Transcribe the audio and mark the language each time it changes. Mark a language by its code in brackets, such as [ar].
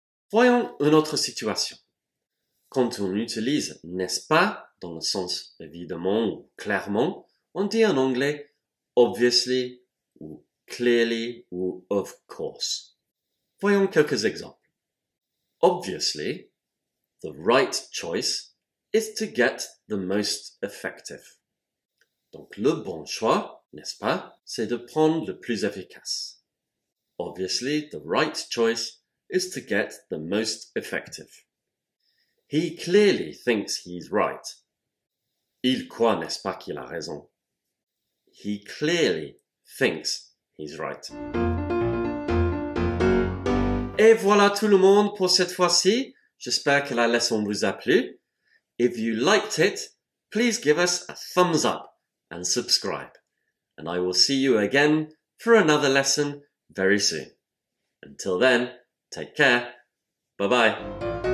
[fr] Voyons une autre situation. Quand on utilise n'est-ce pas dans le sens évidemment ou clairement, on dit en anglais obviously ou clearly ou of course. Voyons quelques exemples. [en] Obviously, the right choice is to get the most effective. [fr] Donc le bon choix, n'est-ce pas, c'est de prendre le plus efficace. [en] Obviously, the right choice is to get the most effective. He clearly thinks he's right. [fr] Il croit, n'est-ce pas, qu'il a raison. [en] He clearly thinks he's right. [fr] Et voilà tout le monde pour cette fois-ci. J'espère que la leçon vous a plu. [en] If you liked it, please give us a thumbs up and subscribe. And I will see you again for another lesson very soon. Until then, take care. Bye-bye.